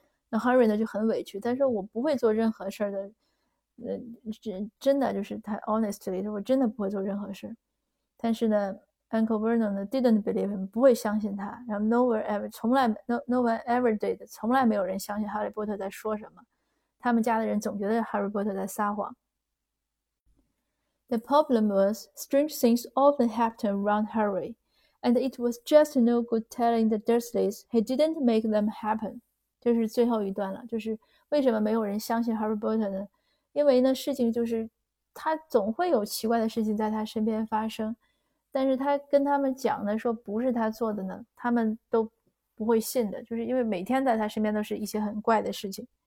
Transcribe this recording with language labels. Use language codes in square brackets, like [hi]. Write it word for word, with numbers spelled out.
[zh] 那 Harry 呢就很委屈，但是我不会做任何事的，呃，真真的就是他 honestly 我真的不会做任何事。但是呢 Uncle Vernon 呢 [en] didn't believe him， [zh] 不会相信他，然后 [en] no one ever [zh] 从来 [en] no no one ever did [zh] 从来没有人相信哈利波特在说什么，他们家的人总觉得哈利波特在撒谎。 [en] The problem was, strange things often happened around Harry, and it was just no good telling the Dursleys he didn't make them happen. [zh] 这是最后一段了，就是为什么没有人相信哈利波特呢？因为呢，事情就是他总会有奇怪的事情在他身边发生。但是他跟他们讲呢，说不是他做的呢，他们都不会信的，就是因为每天在他身边都是一些很怪的事情。